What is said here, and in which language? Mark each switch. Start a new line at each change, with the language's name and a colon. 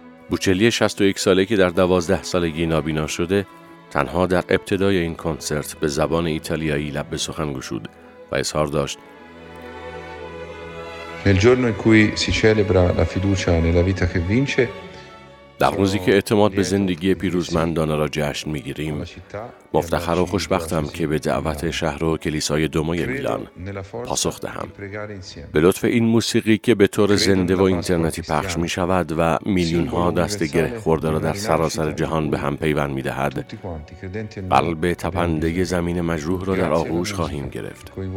Persian: بوچلی 61 ساله که در 12 سالگی نابینا شده، تنها در ابتدای این کنسرت به زبان ایتالیایی لب به سخن گشود و اظهار داشت:
Italian: Nel giorno in cui si celebra la fiducia nella vita che vince,
Persian: در روزی که اعتماد به زندگی پیروزمندانه را جشن می‌گیریم، مفتخر و خوشبختم که به دعوت شهر و کلیسای دوموی میلان پاسخ دهم. به لطف این موسیقی که به طور زنده و اینترنتی پخش می‌شود و میلیون‌ها دست گره خورده را در سراسر جهان به هم پیوند می‌دهد، قلب تپنده زمین مجروح را در آغوش خواهیم گرفت.